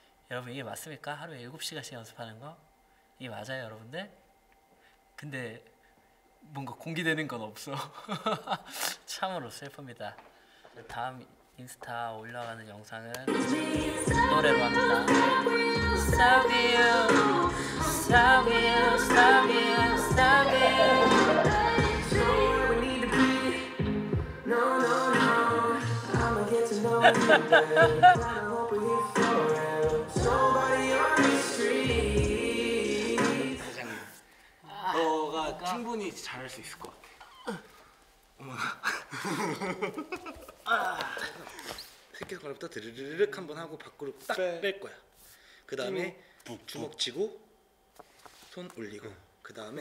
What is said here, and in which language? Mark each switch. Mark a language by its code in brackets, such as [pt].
[ko] 여러분 이게 맞습니까? 하루에 7시간씩 연습하는 거? 이게 맞아요 여러분들? 근데 뭔가 공개되는 건 없어. 참으로 슬픕니다. 다음 인스타 올라가는 영상은 노래로 합니다. [en] Stop you, stop you, stop you, stop you. So we need to be. No, no, no. I'ma get to know you better. I hope we're here forever. Nobody on the street. 사장님, [ko] 너가 충분히 잘할 수 있을 것 같아. 어머나. 새끼손가락부터 드르륵 한번 하고 밖으로 딱 뺄 거야. 그 다음에 주먹 치고 손 올리고 그 다음에